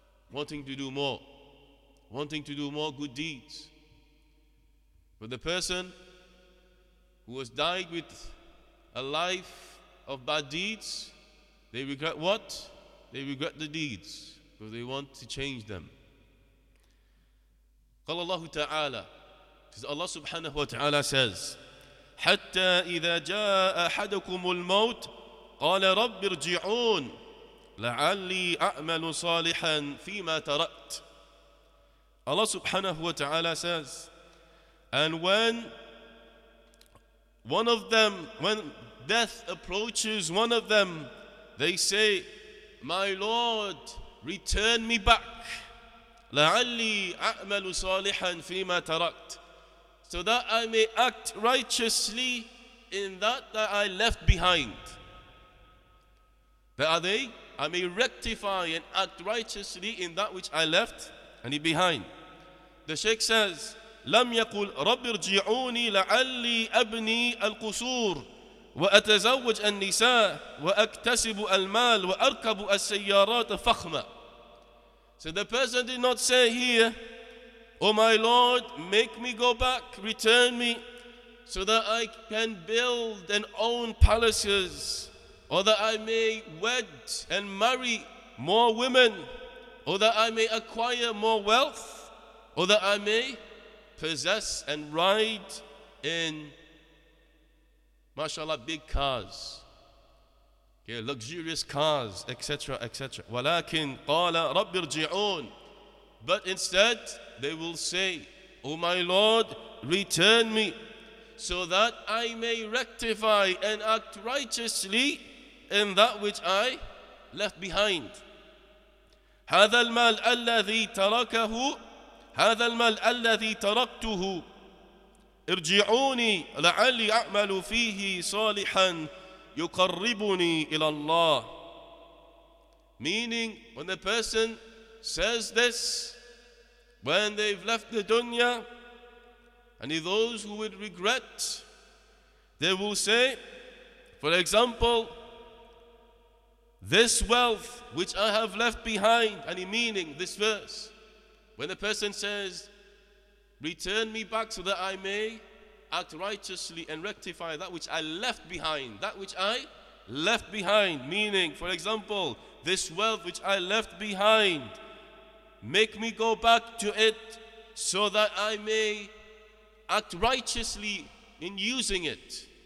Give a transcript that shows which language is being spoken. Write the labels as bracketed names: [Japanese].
[English] Wanting to do more good deeds. But the person who has died with a life of bad deeds, they regret what? They regret the deeds, because they want to change them. [Arabic] قال الله تعالى, [English] because Allah subhanahu wa ta'ala says, [Arabic] حتى إذا جاء أحدكم الموت قال رب ارجعون لعلي أعمل صالحا فيما تركت. [English] Allah subhanahu wa ta'ala says, and when one of them, when death approaches one of them, they say, my Lord, return me back. [Arabic] لعلي أعمل صالحا فيما تركت, [English] so that I may act righteously in that I left behind. That are they? I may rectify and act righteously in that which I left and he behind. The Shaykh says, [Arabic] لم يقول رب ارجعوني لعلي أبني القصور وأتزوج النساء وأكتسب المال وأركب السيارات فخمة. [English] So the person did not say here, oh my Lord, make me go back, return me, so that I can build and own palaces, or that I may wed and marry more women, or that I may acquire more wealth, or that I may possess and ride in, mashallah, big cars, okay, luxurious cars, etc., etc. [Arabic] ولكن قال رب ارجعون. [English] But instead, they will say, O my Lord, return me, so that I may rectify and act righteously in that which I left behind. [Arabic] هذا المال الذي تركه, هذا المال الذي تركته, ارجعوني لعلي أعمل فيه صالحا يقربني إلى الله. [English] Meaning, when the person says this, when they've left the dunya, and those who would regret, they will say, for example, this wealth which I have left behind, and meaning this verse, when the person says, return me back so that I may act righteously and rectify that which I left behind, that which I left behind, meaning, for example, this wealth which I left behind, make me go back to it so that I may act righteously in using it.